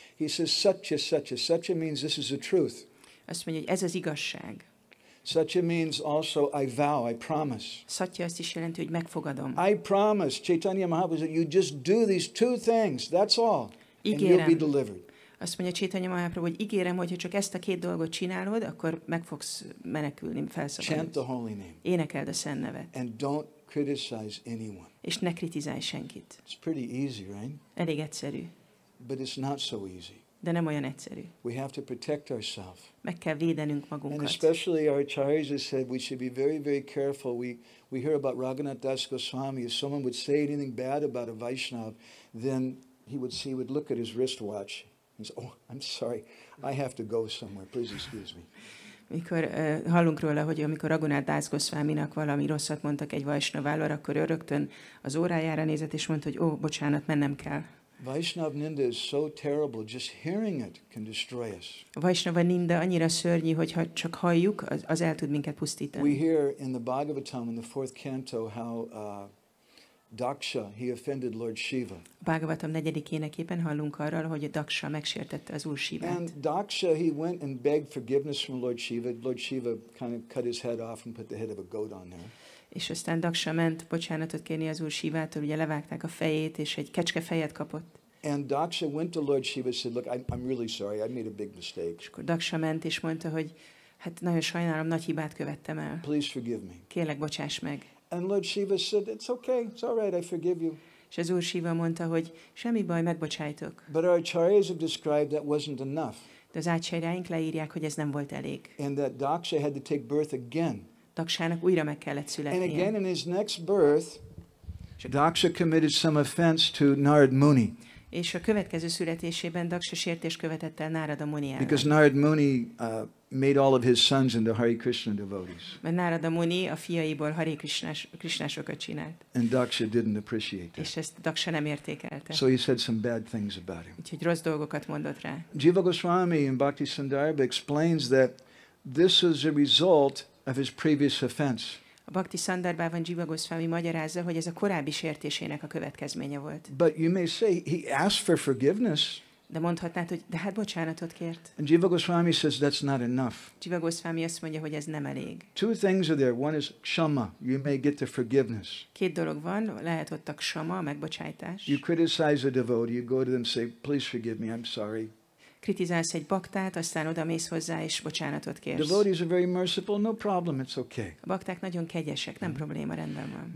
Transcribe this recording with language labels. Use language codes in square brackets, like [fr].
[en] He says satya satya, satya means this is the truth. [hu] Azt mondja, hogy ez az igazság. [en] Satya means also I vow, I promise. [hu] Satya azt is jelenti, hogy megfogadom. [en] I promise, Chaitanya Mahaprabhu said, you just do these 2 things, that's all. [hu] Ígérem. [en] And you'll be delivered. [hu] Azt mondja Chaitanya Mahaprabhu, hogy ígérem, hogy ha csak ezt a 2 dolgot csinálod, akkor meg fogsz menekülni, felszabadulni. [en] Chant the holy name. [hu] Énekeld a szent nevet. [en] And don't criticize anyone. [hu] És ne kritizálj senkit. [en] It's pretty easy, right? [hu] Elég egyszerű. [en] But it's not so easy. [hu] De nem olyan egyszerű. [en] We have to protect ourselves. [hu] Meg kell védenünk magunkat. [en] And especially our acharyas have said we should be very, very careful. We hear about Raghunath Das Goswami. If someone would say anything bad about a Vaishnav, then he would look at his wristwatch. Oh, I'm sorry. I have to go somewhere. Please excuse me. [hu] Mikor hallunk róla, hogy amikor Raghunath Das Goswaminak valami rosszat mondtak egy vaiṣṇavára, akkor rögtön az órájára nézett és mondta, hogy ó, bocsánat, mennem kell. [en] Vaishnava ninda is so terrible, just hearing it can destroy us. [hu] Vaishnava ninda annyira szörnyű, hogy ha csak halljuk, az el tud minket pusztítani. [en] We hear in the Bhagavatam in the fourth canto how Daksha, he offended Lord Shiva. [hu] Bhagavatam negyedik énekében hallunk arról, hogy Daksha megsértette az Úr Shivát. [en] And Daksha, he went and begged forgiveness from Lord Shiva. Lord Shiva kind of cut his head off and put the head of a goat on there. [hu] És aztán Daksha ment bocsánatot kérni az Úr Shivától, ugye levágták a fejét, és egy kecske fejet kapott. [en] And Daksha went to Lord Shiva and said, look, I'm really sorry, I made a big mistake. [hu] És akkor Daksha ment és mondta, hogy hát nagyon sajnálom, nagy hibát követtem el. [en] Please forgive me. [hu] Kérlek, bocsáss meg. [en] And Lord Shiva said, it's okay, it's all right, I forgive you. [hu] És az Úr Shiva mondta, hogy semmi baj, megbocsájtok. [en] But our acharyas have described that wasn't enough. [hu] De az ácsáráink leírják, hogy ez nem volt elég. [en] And that Daksha had to take birth again. [hu] Daksának újra meg kellett születnie. [en] And again in his next birth, Daksha committed some offense to Narad Muni. [hu] És a következő születésében Daksha sértés követett el Narada Muni ellen. [en] Because Narad Muni made all of his sons into Hare Krishna devotees. [hu] Mert Narada Muni a fiaiból Hare Krishnásokat csinált. [en] And Daksha didn't appreciate that. [hu] És ezt Daksha nem értékelte. [en] So he said some bad things about him. [hu] Úgyhogy rossz dolgokat mondott rá. [en] Jiva Goswami in Bhakti Sandarbha explains that this is a result of his previous offense. [hu] A Bhakti Sandarbhában Jiva Goswami magyarázza, hogy ez a korábbi sértésének a következménye volt. [en] But you may say he asked for forgiveness. [hu] De mondhatnád, hogy de hát bocsánatot kért. [en] And Jiva Goswami says that's not enough. [hu] Jiva Goswami azt mondja, hogy ez nem elég. [en] Two things are there. One is kshama. You may get the forgiveness. [hu] Két dolog van, lehet ott a kshama, a megbocsájtás. [en] You criticize a devotee, you go to them and say, please forgive me, I'm sorry. [hu] Kritizálsz egy baktát, aztán oda mész hozzá és bocsánatot kérsz. [en] Devotees are very merciful, no problem, it's okay. [hu] A bakták nagyon kegyesek, nem probléma, rendben van.